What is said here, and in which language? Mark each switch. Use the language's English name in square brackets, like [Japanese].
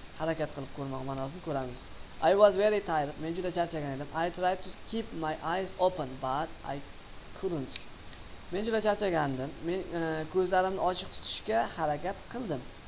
[Uzbek] Harakat qilib ko'rmoq ma'nosini ko'ramiz. [English] I was very tired. [Uzbek] Men juda charchagan edim. [English] I tried to keep my eyes open, but I couldn't. [Uzbek] Men juda charchagandim. Men ko'zlarimni ochiq tutishga harakat qildim.